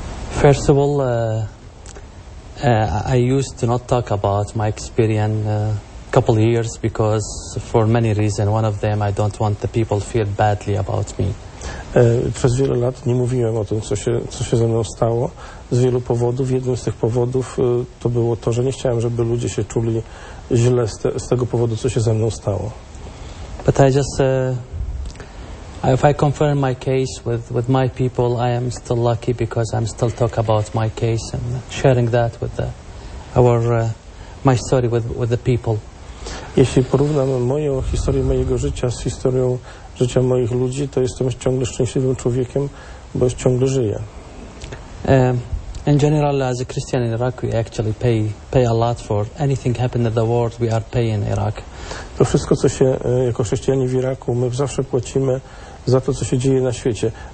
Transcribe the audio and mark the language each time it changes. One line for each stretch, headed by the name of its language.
English: First of all, I used to not talk about my experience a couple of years because for many reasons. One of them, I don't want the people feel badly about me.
Polish: Przez wiele lat nie mówiłem o tym, co się ze mną stało. Z wielu powodów. Jednym z tych powodów to było to, że nie chciałem, żeby ludzie się czuli źle z tego powodu, co się ze mną stało.
English: But I just, if I confirm my case with my people, I am still lucky because I'm still talk about my case and sharing that with my story with the people.
Polish: Jeśli porównam moją historię mojego życia z historią życia moich ludzi, to jestem ciągle szczęśliwym człowiekiem, bo ciągle żyję.
English: In general, as a Christian in Iraq, we actually pay a lot for anything happened in the world. We are paying Iraq.
Polish: To wszystko, co się jako chrześcijanie w Iraku, my zawsze płacimy za to, co się dzieje na świecie.